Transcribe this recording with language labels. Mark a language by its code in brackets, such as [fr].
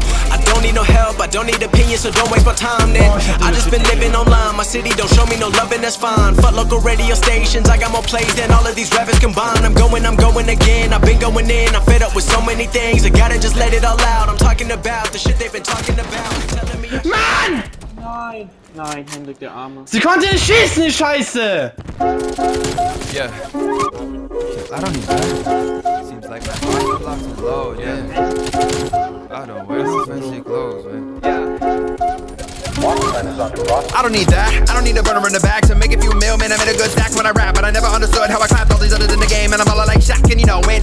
[en] I don't need no help, I don't need opinions, so don't waste my time then. I just been living online, my city don't show me no love and that's fine. Fuck local radio stations, I got more plays than all of these rappers combined. I'm going again, I've been going in, I'm fed up with so many things. I gotta just let it all out, I'm talking about the shit they've been talking about. Telling me MAN! [de] Nein, Hendrik, der Arme. Sie konnte nicht schießen, die Scheiße! [en] Yeah. I don't know. Seems like my mind blocks are low, yeah. I don't wear suspensive clothes, man. Yeah. I don't need that, I don't need a burner in the back. To make a few mil, man, I made a good stack when I rap. But I never understood how I clapped all these others in the game. And I'm all like Shaq, and you know it.